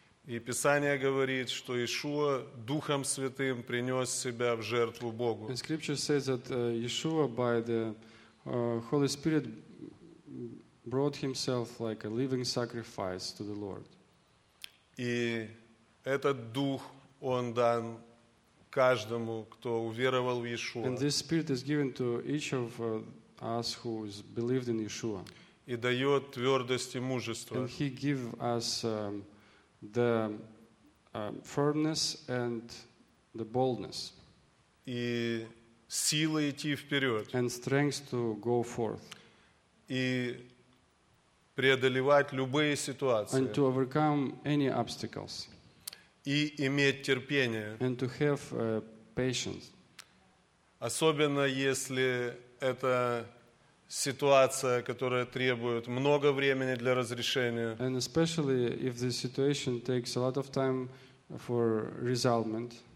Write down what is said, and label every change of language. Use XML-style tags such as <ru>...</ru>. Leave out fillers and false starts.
<ru>И Писание говорит, что Иешуа Духом Святым принес себя в жертву Богу.</ru> <en>And scripture says that Yeshua by the Holy Spirit brought himself like a living sacrifice to the Lord.</en> <ru>И этот дух он дан каждому, кто уверовал в Иешуа.</ru> <en>And this spirit is given to each of us who has believed in Yeshua.</en> <ru>И дает твердость и мужество.</ru> <en>And he give us the firmness and the boldness.</en> <ru>И силы идти вперед.</ru> <en>And strength to go forth.</en> <ru>И преодолевать любые ситуации.</ru> <en>And to overcome any obstacles.</en> <ru>И иметь терпение.</ru> <en>And to have patience.</en> <ru>Особенно если это ситуация, которая требует много времени для разрешения.</ru> <en>And especially if the situation takes a lot of time for resolvement.</en>